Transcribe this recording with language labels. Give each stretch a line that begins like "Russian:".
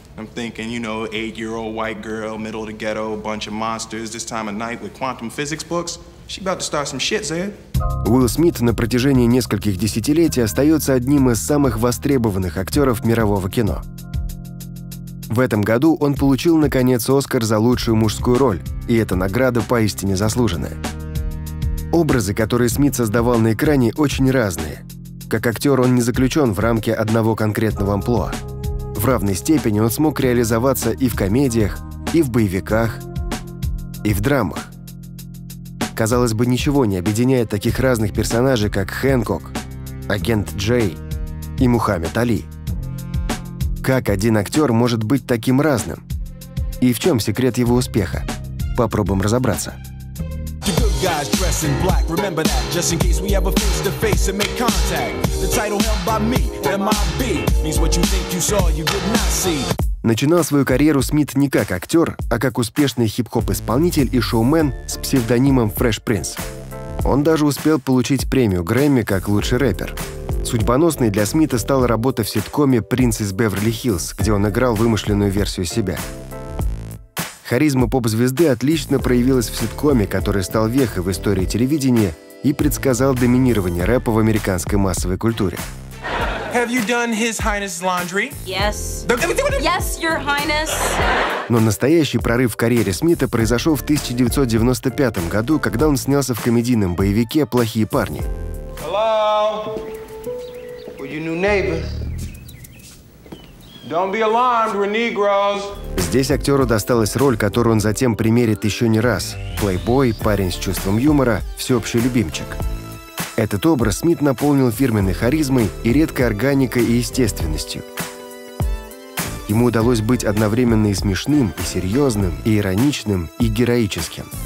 English: I'm thinking, you know, 8-year-old white girl, middle of the ghetto, bunch of monsters, this time of night with quantum physics books. She about to start some shit, Zed.
Russian: Уилл Смит на протяжении нескольких десятилетий остается одним из самых востребованных актеров мирового кино. В этом году он получил, наконец, Оскар за лучшую мужскую роль, и эта награда поистине заслуженная. Образы, которые Смит создавал на экране, очень разные. Как актер он не заключен в рамки одного конкретного амплуа. В равной степени он смог реализоваться и в комедиях, и в боевиках, и в драмах. Казалось бы, ничего не объединяет таких разных персонажей, как Хэнкок, агент Джей и Мухаммед Али. Как один актер может быть таким разным? И в чем секрет его успеха? Попробуем разобраться.
English: Guys dressed in black, remember that, just in case we ever face to face and make contact. The title held by me, MIB, means what you think you saw, you did not see.
Russian: Начинал свою карьеру Смит не как актер, а как успешный хип-хоп-исполнитель и шоумен с псевдонимом Fresh Prince. Он даже успел получить премию Грэмми как лучший рэпер. Судьбоносной для Смита стала работа в ситкоме «Принц из Беверли-Хиллз», где он играл вымышленную версию себя. Харизма поп-звезды отлично проявилась в ситкоме, который стал вехой в истории телевидения и предсказал доминирование рэпа в американской массовой культуре.
English: Have you done His Highness's laundry? Yes. Yes, Your Highness.
Russian: Но настоящий прорыв в карьере Смита произошел в 1995 году, когда он снялся в комедийном боевике «Плохие парни».
English: Hello. We're your new neighbors. Don't be alarmed, we're Negroes.
Russian: Здесь актеру досталась роль, которую он затем примерит еще не раз. Плейбой, парень с чувством юмора, всеобщий любимчик. Этот образ Смит наполнил фирменной харизмой и редкой органикой и естественностью. Ему удалось быть одновременно и смешным, и серьезным, и ироничным, и героическим.